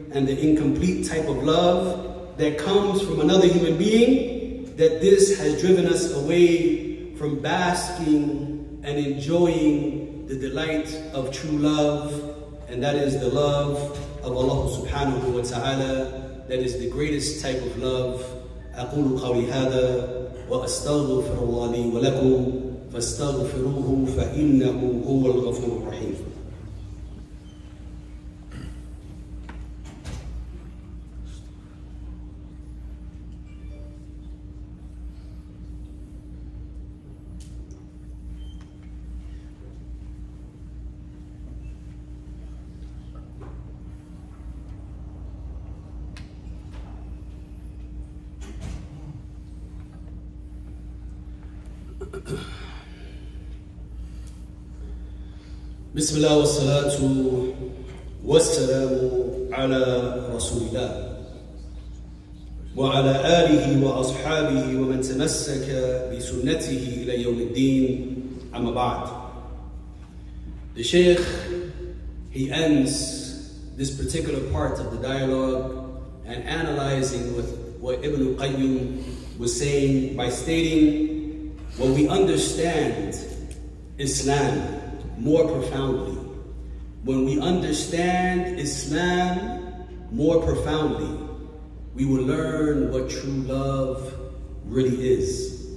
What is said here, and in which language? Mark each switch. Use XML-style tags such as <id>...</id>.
<en>and the incomplete type of love that comes from another human being, that this has driven us away from basking and enjoying the delight of true love, and that is the love of Allah subhanahu wa ta'ala, that is the greatest type of love.</en> <ar>أقول قولي هذا وأستغفر الله لي ولكم فاستغفروه فإنه هو الغفور الرحيم. بسم الله والصلاة والسلام على رسول الله وعلى آله وأصحابه ومن تمسك بسنته إلى يوم الدين أما بعد.</ar> <en>The Shaykh, he ends this particular part of the dialogue and analyzing with what Ibn Qayyim was saying by stating, when we understand Islam more profoundly, when we understand Islam more profoundly, we will learn what true love really is.</en>